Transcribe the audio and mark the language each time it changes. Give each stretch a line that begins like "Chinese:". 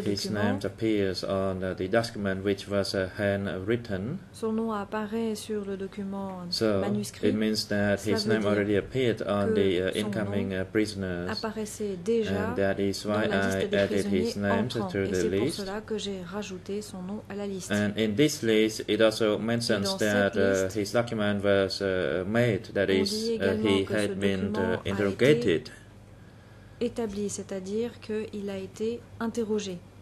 English: his name appears on the document which was handwritten.
French: Son nom apparaît sur le document
English: so
French: manuscrit.
English: It means that his name already appeared on the incoming prisoners.
French: Apparaissait déjà
English: and that is why I added his name to the list.
French: Pour cela que j'ai rajouté son nom à la liste.
English: And in this list, it also mentions that his document was made, that is, he had been interrogated.
French: Établi, c'est-à-dire qu'il a été interrogé.